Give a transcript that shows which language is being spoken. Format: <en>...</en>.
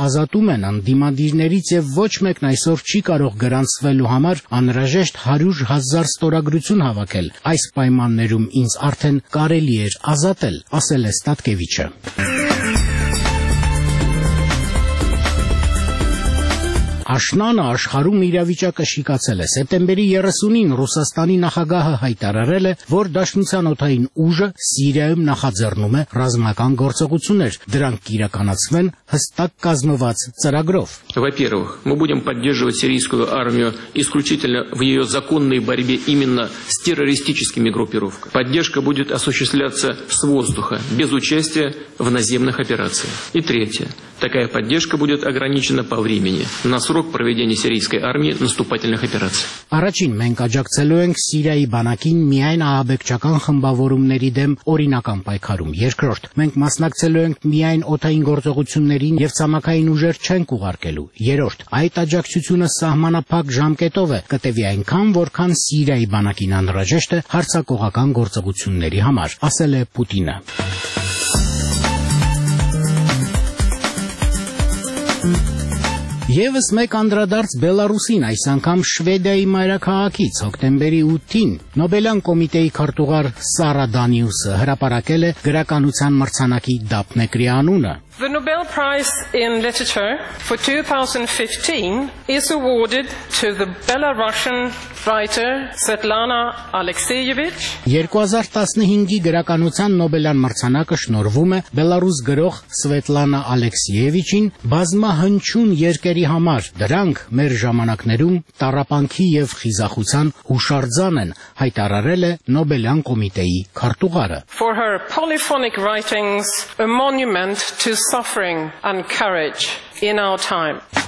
<hy>ազատում են ընդդիմադիրներից եւ ոչ մեկն այսօր չի կարող գրանցվելու համար անհրաժեշտ 100,000 ստորագրություն հավաքել։ Այս պայմաններում ինձ արդեն կարելի է ազատել, ասել է Ստատկևիչը։ Ա աշնանը աշխարհում իրավիճակը շիկացել է։ Սեպտեմբերի 30-ին Ռուսաստանի նախագահը հայտարարել է, որ Դաշնության օթային ուժը Սիրիայում նախաձեռնում է ռազմական գործողություններ, դրանք կիրականացվեն հստակ կազմված ծրագրով։</hy> <ru>Во-первых, мы будем поддерживать сирийскую армию исключительно в её законной борьбе именно с террористическими группировками. Поддержка будет осуществляться с воздуха, без участия в наземных операциях. И третье, такая поддержка будет ограничена по времени, на срок проведения сирийской армии наступательных операций.</ru> <hy>Առաջին մենք աջակցելու ենք Սիրիայի բանակին միայն ահաբեկչական խմբավորումների դեմ օրինական պայքարում։ Երկրորդ, մենք մասնակցելու ենք միայն օթային գործողություններին եւ ցամաքային ուժեր չեն կուղարկելու։ Երրորդ, այդ աջակցությունը սահմանափակ ժամկետով է, կտեվի այնքան, որքան Սիրիայի բանակին անհրաժեշտ է հարցակողական գործողությունների համար, ասել է Պուտինը։ Եվս մեկ անդրադարձ Բելարուսին, այս անգամ Շվեդիայի մայրաքաղաքից, հոկտեմբերի 8-ին Նոբելյան կոմիտեի քարտուղար Սարա Դանիուսը հրապարակել է գրականության մրցանակի Դափնեկրի անունը։</hy> <en>The Nobel Prize in Literature for 2015 is awarded to the Belarusian writer Svetlana Alexeyevich.</en> <hy>2015-ի գրականության Նոբելյան մրցանակը շնորվում է Բելարուս գրող Սվետլանա Ալեքսիևիչին բազմահնչյուն երկերի համար։ Դրանք մեր ժամանակներում տառապանքի եւ խիզախության հուշարձան են, հայտարարել է Նոբելյան կոմիտեի քարտուղարը։</hy> <en>For her polyphonic writings, a monument to suffering and courage in our time.</en>